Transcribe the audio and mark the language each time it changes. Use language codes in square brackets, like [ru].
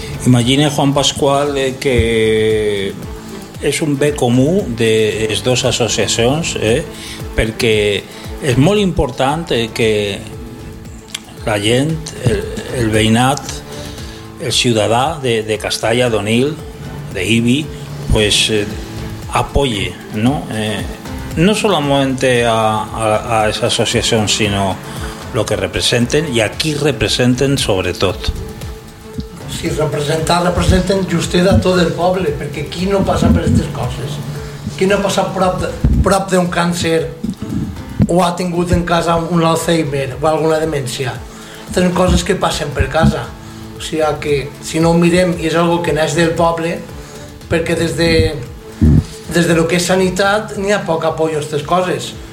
[ca] Imagina, Juan Pascual, que és un bé comú de les dues associacions, perquè és molt important que la gent, el veïnat, el ciutadà de Castalla, d'Onil, de Ibi, [es] pues apoye, ¿no? No solamente a esa asociación, sino lo que representen y aquí representen sobre todo. [ca] Si representen justet a tot el poble, perquè qui no passa per aquestes coses? Qui no passa prop d'un càncer o ha tingut en casa un Alzheimer o alguna demència? Tenen coses que passen per casa. O sigui que, si no ho mirem, i és algo que naix del poble, perquè des de lo que és sanitat n'hi ha poc apoi a aquestes coses.